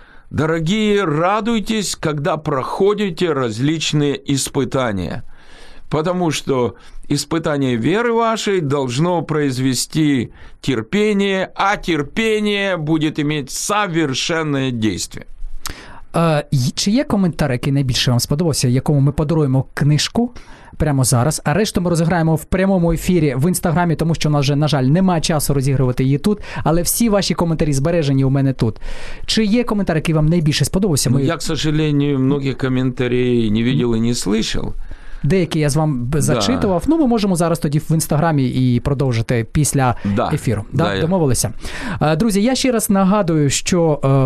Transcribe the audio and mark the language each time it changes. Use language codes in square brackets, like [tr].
[ru] Дорогие, радуйтесь, когда проходите различные испытания, потому что испытание веры вашей должно произвести терпение, а терпение будет иметь совершенное действие. [uk] Чи є коментар, який найбільше вам сподобався, якому ми подаруємо книжку прямо зараз, а решту ми розіграємо в прямому ефірі в Інстаграмі, тому що у нас вже, на жаль, немає часу розігрувати її тут, але всі ваші коментарі збережені у мене тут. Чи є коментар, який вам найбільше сподобався? [ru] Ну, я, к сожалению, многих комментарий не видел и не слышал. [uk] Деякі я з вам зачитував. Да. Ну, ми можемо зараз тоді в Інстаграмі і продовжити після ефіру. Да, домовилися. Друзі, я ще раз нагадую, що...